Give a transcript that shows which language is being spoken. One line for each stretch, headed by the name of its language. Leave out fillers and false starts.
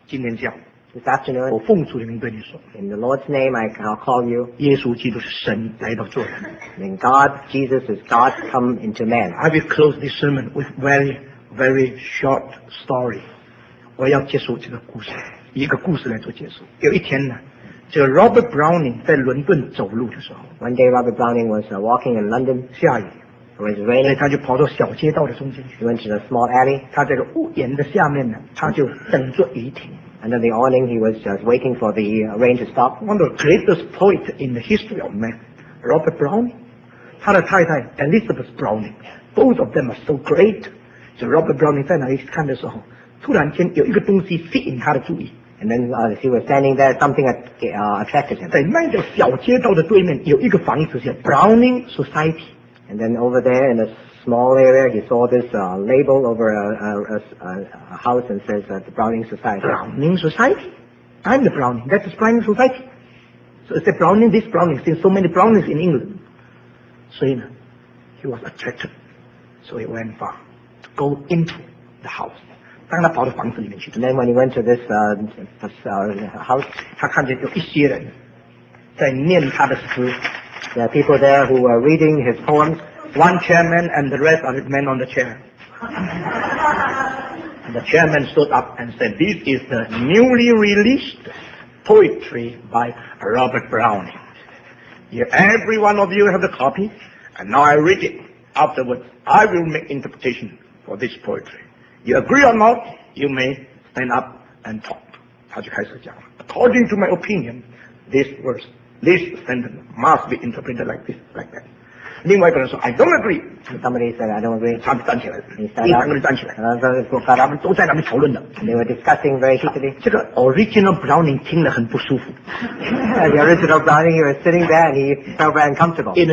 Chinese: 那是你生命中间最大思想上的误解。今天这样，我奉主的名对你说，
English: In the Lord's name, I'll call you.
Chinese: 耶稣基督是神来到做人。
English: In God, Jesus is God come into man. I will close this sermon with very, very short story.
Chinese: 我要结束这个故事，一个故事来做结束。有一天呢，这个 Robert Browning 在伦敦走路的时候，
English: One day Robert Browning was walking in London.
Chinese: 下雨。他就跑到小街道的中间去。
English: He went to the small alley.
Chinese: 他在屋檐的下面呢，他就等着雨停。
English: Under the awning, he was just waiting for the rain to stop. One of the greatest poets in the history of man, Robert Browning.
Chinese: 他的太太
English: Elizabeth Browning, both of them are so great.
Chinese: So Robert Browning 在那里看的时候，突然间有一个东西吸引他的注意。
English: And then as he was standing there, something attracted him.
Chinese: 在那个小街道的对面有一个房子叫 Browning Society。
English: And then over there in a small area, he saw this label over a house and says the Browning Society. Browning Society? I'm the Browning. That's the Browning Society. So it's the Browning, this Browning. There's so many Brownings in England. So he was attracted. So he went far to go into the house. And then when he went to this house,
Chinese: 他看见有一些人在念他的诗。
English: There are people there who are reading his poems. One chairman and the rest are men on the chair. And the chairman stood up and said, this is the newly released poetry by Robert Browning. Every one of you have the copy, and now I read it. Afterwards, I will make interpretation for this poetry. You agree or not, you may stand up and talk.
Chinese: 他就开始讲,
English: according to my opinion, this verse, this sentence must be interpreted like this, like that.
Chinese: 另外一个人说,
English: I don't agree. Somebody said, I don't agree.
Chinese: 他们站起来了。他们都在那边讨论的。
English: They were discussing very heatedly.
Chinese: 这个original Browning听了很不舒服。
English: The original Browning, he was sitting there and he felt very uncomfortable.